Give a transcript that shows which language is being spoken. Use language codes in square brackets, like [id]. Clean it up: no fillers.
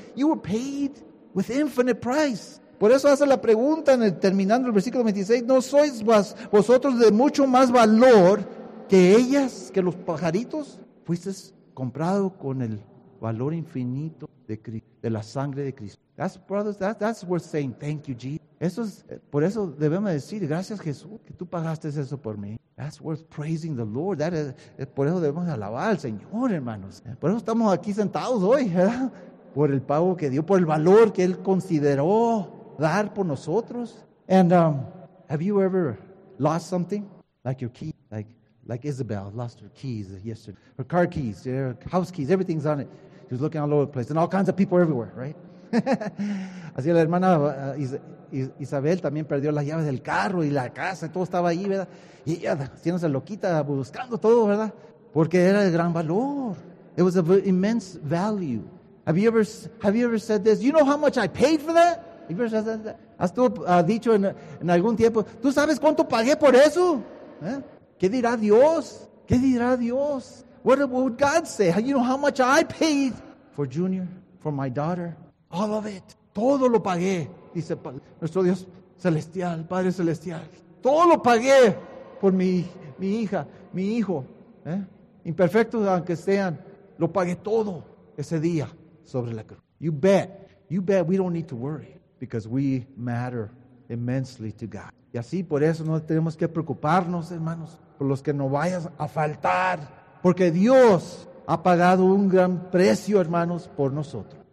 [en] You were paid with infinite price. [es] Por eso hace la pregunta en el, terminando el versículo 26, ¿no sois vosotros de mucho más valor que ellas, que los pajaritos? Fuisteis comprado con el valor infinito de Cristo, de la sangre de Cristo. [en] That's, brothers, that's worth saying thank you, Jesus. [es] Eso es, por eso debemos decir, gracias Jesús, que tú pagaste eso por mí. [en] That's worth praising the Lord. That is, [es] por eso debemos alabar al Señor, hermanos. Por eso estamos aquí sentados hoy, ¿verdad? Por el pago que dio, por el valor que Él consideró dar por nosotros. [en] And have you ever lost something? Like your key, like Isabel lost her keys yesterday. Her car keys, her house keys, everything's on it. She was looking all over the place and all kinds of people everywhere, right? [es] Así la hermana Isabel también perdió las llaves del carro y la casa, todo estaba ahí, ¿verdad? Y ella haciéndose loquita buscando todo, ¿verdad? Porque era de gran valor. [en] It was of immense value. Have you ever said this? You know how much I paid for that? You ever said that? [es] ¿Has tú dicho en algún tiempo, tú sabes cuánto pagué por eso? ¿Qué dirá Dios? ¿Qué dirá Dios? [en] What would God say? You know how much I paid for Junior, for my daughter? All of it. [es] Todo lo pagué, dice nuestro Dios celestial, Padre celestial. Todo lo pagué por mi hija, mi hijo. Imperfectos aunque sean, lo pagué todo ese día sobre la cruz. [en] You bet we don't need to worry because we matter immensely to God. [es] Y así por eso no tenemos que preocuparnos, hermanos, por los que nos vayan a faltar. Porque Dios ha pagado un gran precio, hermanos, por nosotros.